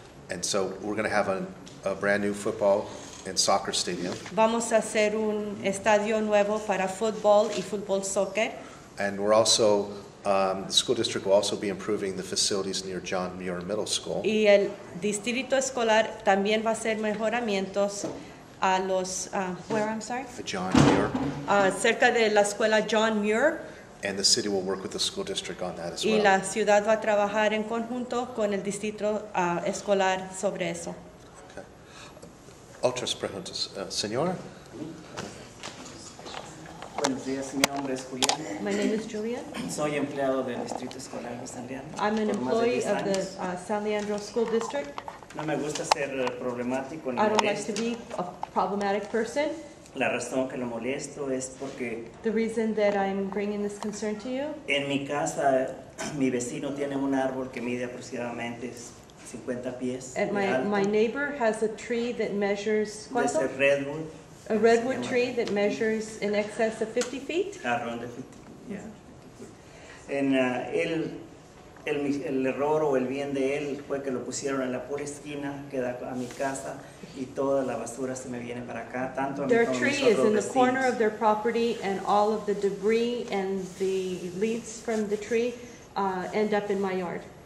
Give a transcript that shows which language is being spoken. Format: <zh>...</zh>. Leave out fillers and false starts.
<en>And so we're going to have a brand new football and soccer stadium.</en> <es>Vamos a hacer un estadio nuevo para fútbol y fútbol soccer.</es> <en>And we're also the school district will also be improving the facilities near John Muir Middle School.</en> <es>Y el distrito escolar también va a hacer mejoramientos a los John Muir. Cerca de la escuela John Muir.</es> <en>And the city will work with the school district on that as well.</en> <es>Y la ciudad va a trabajar en conjunto con el distrito escolar sobre eso. Okay. Otras preguntas, señora. Buenos días, mi nombre es Julia.</es> <en>My name is Julia.</en> <es>Soy empleado del distrito escolar de San Leandro.</es> <en>I'm an employee of the San Leandro School District.</en> <es>No me gusta ser problemático.</es> <en>I don't like to be a problematic person.</en> <es>La razón que lo molesto es porque</es> <en>the reason that I'm bringing this concern to you.</en> <es>En mi casa, mi vecino tiene un árbol que mide aproximadamente 50 pies.</es> <en>And my neighbor has a tree that measures</en> <es>¿cuánto? De ser redwood.</es> <en>A redwood tree that measures in excess of 50 feet? Around 50, yeah.</en> <es>En el error o el bien de él fue que lo pusieron en la pura esquina que da a mi casa y toda la basura se me viene para acá, tanto a mi</es> <en>their tree is in the corner of their property and all of the debris and the leaves from the tree end up in my yard.</en>